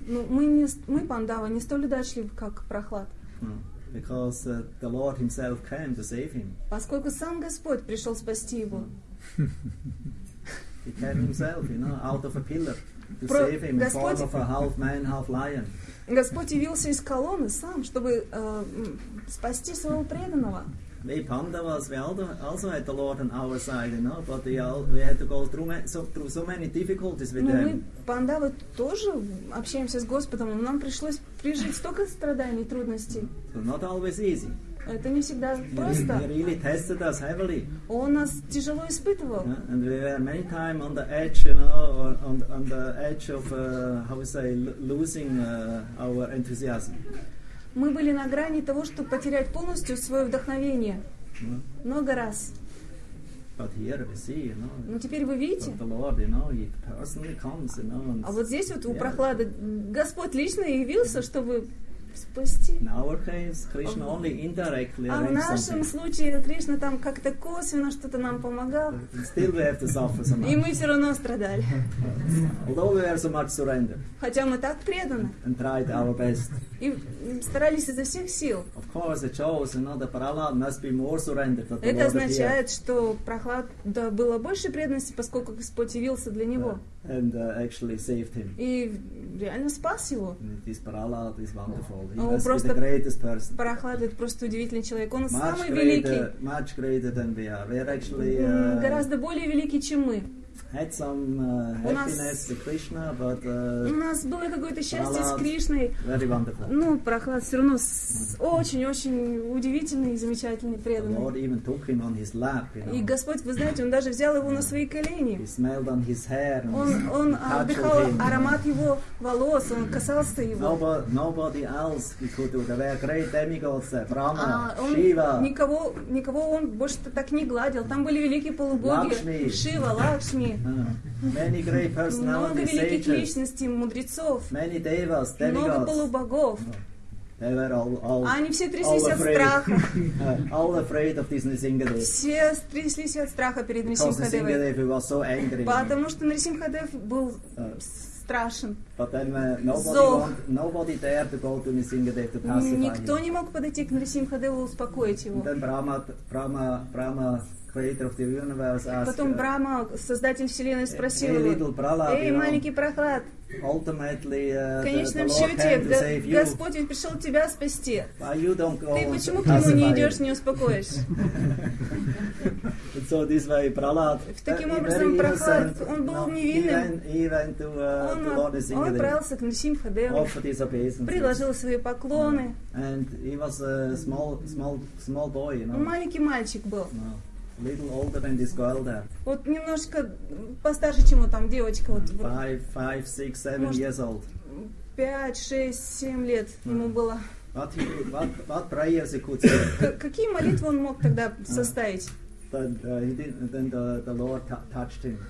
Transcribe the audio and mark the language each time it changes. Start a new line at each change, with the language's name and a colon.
Russian: Ну, мы Пандава не столь удачливы, как Прохлад.
English: Because the Lord himself came to save him.
Russian: Поскольку сам Господь пришел спасти его.
English: He came himself, you know, out of a pillar to save him, in form of a half man, half lion.
Russian: Господь явился из колонны сам, чтобы спасти своего преданного.
English: We Pandavas, we also had the Lord on our side, you know, but we had to go through so many difficulties with him.
Russian: Мы, Пандавы, тоже общаемся с Господом, но нам пришлось пережить столько страданий и трудностей.
English: So not always easy.
Russian: Это не всегда просто.
English: He really tested us heavily.
Russian: Он нас тяжело испытывал.
English: Yeah? And we were many times on the edge, you know, on the edge of, how we say, losing our enthusiasm.
Russian: Мы были на грани того, чтобы потерять полностью свое вдохновение. Yeah. Много раз.
English: But here we see, you know,
Russian: но теперь вы видите.
English: The Lord, you know, he personally comes, you know, and...
Russian: А вот здесь вот у Прохлады Господь лично явился, чтобы спасти.
English: In our case, Krishna only indirectly arranged something.
Russian: А в нашем случае Кришна там как-то косвенно что-то нам помогал.
English: Still we have to suffer so much.
Russian: И мы все равно страдали.
English: Although we are so much surrendered.
Russian: Хотя мы так преданы.
English: And tried our best.
Russian: И старались изо всех сил.
English: Of course, it shows, you know, the Prahlad must be more surrendered than the
Russian: Lord. Это означает, что Прохлад, да, было больше преданности, поскольку Господь явился для него.
English: and actually saved him.
Russian: И реально спас его.
English: This Prahlad is wonderful. He was the greatest person.
Russian: Прохлад это просто удивительный человек. Он
English: much
Russian: самый великий.
English: Much greater than we are. We are actually
Russian: гораздо более великий, чем мы.
English: Had some happiness with Krishna, but
Russian: у нас было какое-то счастье с Кришной.
English: Very wonderful.
Russian: Ну, Прохлад все равно очень-очень удивительный и замечательный преданный.
English: The Lord even took him on his lap, you know.
Russian: И Господь, вы знаете, он даже взял его на свои колени.
English: He smelled on his hair.
Russian: Он вдыхал аромат его волос, он касался его.
English: Nobody else he could do. There were great demigods, Brahma, Shiva.
Russian: Никого он больше так не гладил. Там были великие полубоги, Шива, Лакшми.
English: Many great personalities,
Russian: много великих личностей, мудрецов,
English: many devas,
Russian: много полубогов.
English: They were all,
Russian: они все тряслись
English: all
Russian: от страха.
English: All afraid of this Nrisimhadev.
Russian: Все тряслись от страха перед Нрисимхадевой. Потому что Нрисимхадев был страшен.
English: But then nobody dared to go to Nrisimhadev to pacify him.
Russian: Никто не мог подойти к Нрисимхадеву успокоить его.
English: Then Brahma Creator of the universe asked,
Russian: потом Брама, создатель вселенной, спросил его: "Эй, Prahlad, маленький Прохлад,
English: ultimately,
Russian: в конечном счете, Господь ведь пришел тебя спасти.
English: Why you don't go
Russian: ты почему к нему не идешь, не успокоишь?"
English: So this way, Prahlad,
Russian: таким образом, Прохлад, он был невинным. Он отправился к Нрисимхадеву, предложил свои поклоны.
English: And he was a small boy, you know?
Russian: Маленький мальчик был.
English: Little older than this girl there.
Russian: Вот немножко постарше, чем там девочка. Вот,
English: five, six, seven years old.
Russian: 5, 6, 7 лет ему было.
English: What prayers he could say?
Russian: Какие молитвы он мог тогда составить?
English: Then the Lord touched him.